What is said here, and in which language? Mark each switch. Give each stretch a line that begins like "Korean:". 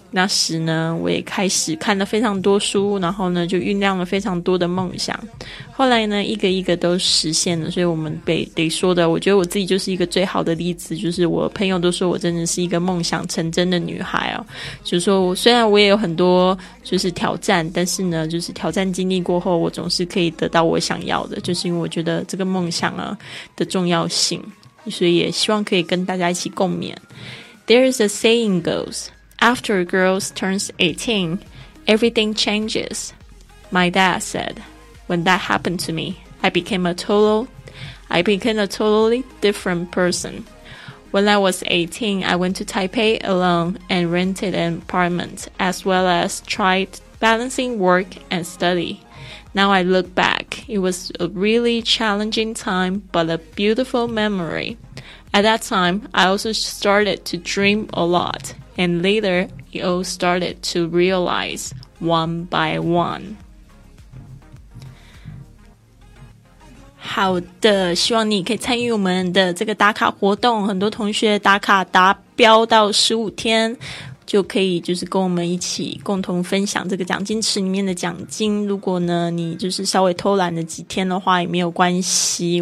Chinese: 那时呢我也开始看了非常多书，然后呢就酝酿了非常多的梦想，后来呢一个一个都实现了。所以我们得说的，我觉得我自己就是一个最好的例子，就是我朋友都说我真的是一个梦想成真的女孩哦。就是说虽然我也有很多就是挑战，但是呢就是挑战经历过后，我总是可以得到我想要的，就是因为我觉得这个梦想啊的重要性，所以也希望可以跟大家一起共勉。
English: There is a saying goesAfter a girl turns 18, everything changes. My dad said, when that happened to me, I became a totally different person. When I was 18, I went to Taipei alone and rented an apartment, as well as tried balancing work and study. Now I look back, it was a really challenging time, but a beautiful memory. At that time, I also started to dream a lot. And later, it all started to realize one by one.
Chinese: 好的，希望你可以参与我们的这个打卡活动。很多同学打卡达标到15天，就可以就是跟我们一起共同分享这个奖金池里面的奖金。如果呢，你就是稍微偷懒了几天的话，也没有关系。